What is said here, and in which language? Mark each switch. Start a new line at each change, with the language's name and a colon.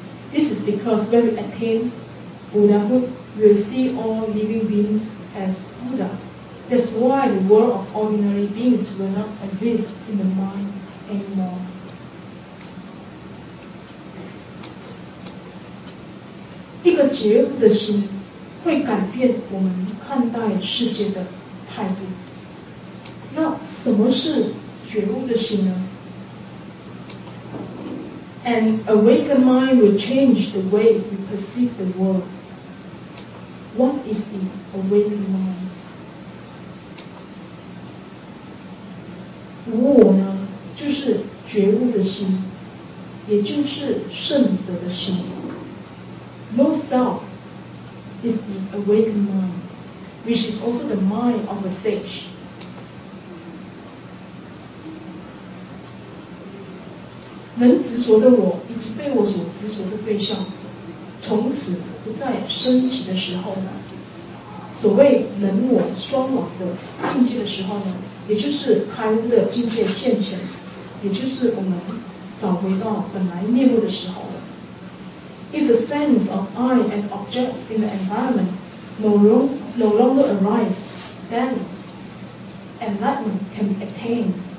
English: This is because when we attain Buddhahood, we will see all living beings as Buddha. That's why the world of ordinary beings will not exist in the mind anymore.
Chinese: 一个觉悟的心会改变我们看待世界的态度。那什么是觉悟的心呢？
English: An awakened mind will change the way we perceive the world. What is the awakened mind?
Chinese: 无我呢，就是觉悟的心，也就是圣者的心。
English: No self is the awakened mind, which is also the mind of a sage. Mm-hmm.
Chinese: 能执着的我以及被我所执着的对象，从此不再升起的时候呢，所谓能我双亡的境界的时候呢，也就是开悟的境界现前，也就是我们找回到本来面目的时候了。
English: If the sense of I and objects in the environment no longer arise, then enlightenment can be attained.